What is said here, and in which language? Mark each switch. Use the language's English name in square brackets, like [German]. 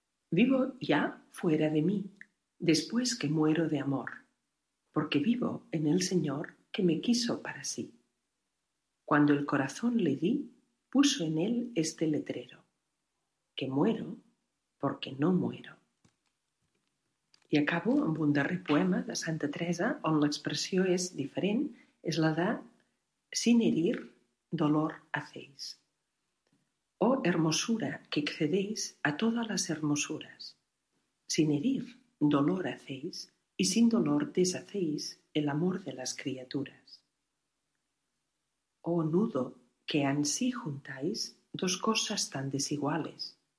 [Spanish] Vivo ya fuera de mí, después que muero de amor, porque vivo en el Señor que me quiso para sí. Cuando el corazón le di, puso en él este letrero: que muero porque no muero. [Catalan] I acabo amb un darrer poema de Santa Teresa, on l'expressió és diferent, és la de [Spanish] sin herir, dolor hacéis. Oh hermosura que excedéis a todas las hermosuras. Sin herir, dolor hacéis, y sin dolor deshacéis el amor de las criaturas. Oh nudo que ansí juntáis dos cosas tan desiguales.